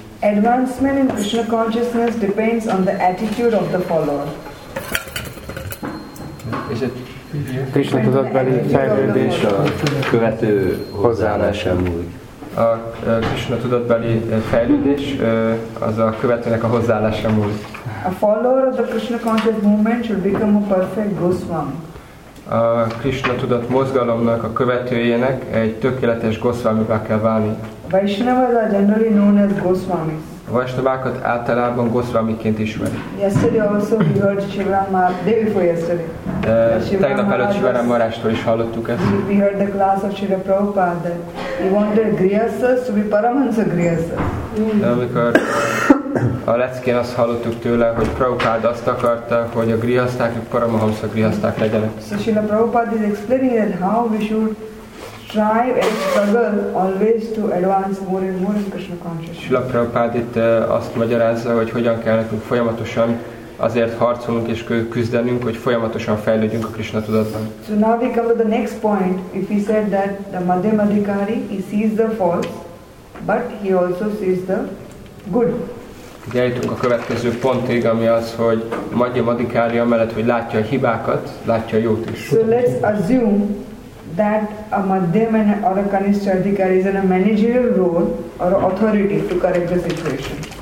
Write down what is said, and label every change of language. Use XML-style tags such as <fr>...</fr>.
<en>Advancement in Krishna consciousness depends on the attitude of the follower.</en> <hu>Krishna tudatbeli fejlődés a követő hozzáállásán múlik. A Krishna tudatbeli fejlődés az a követőnek a hozzáállása múlik.</hu> <en>A follower of the Krishna conscious movement should become a perfect Goswami.</en> <hu>A Krishna tudat mozgalomnak a követőjének egy tökéletes Goswamivá kell válni.</hu> <en>Vaishnavas are generally known as Goswamis.</en> <hu>A Vaishnavákat általában Goswamiként ismerik.</hu> <en>Yesterday also we heard Shivram Maharaj, day before yesterday.</en> <hu>Tegnap előtt Shivram Maharajtól is hallottuk ezt.</hu> <en>We heard the class of Srila Prabhupada that he wanted Grihasthas to be Paramahansa Grihasthas.</en> <hu>Amikor a leckén azt hallottuk tőle, hogy Prabhupada azt akarta, hogy a grihaszták, hogy Paramahansa grihaszták legyenek.</hu> <en>So Srila Prabhupada is explaining that how we should strive and struggle always to advance more and more in Krishna consciousness.</en> <hu>Srila Prabhupada itt azt magyarázza, hogy hogyan kell nekünk folyamatosan azért harcolunk és küzdenünk, hogy folyamatosan fejlődjünk a Krishna tudatban.</hu> <en>So now we come to the next point. If he said that the Madhyam Adhikari, he sees the false, but he also sees the good.</en> <hu>Eljutunk a következő pontig, ami az, hogy Madhyam Adhikari amellett, hogy látja a hibákat, látja a jót is.</hu> <en>So let's assume that a Madhyam or a Kanishta Adhikari is in a managerial role or authority to correct the situation.</en>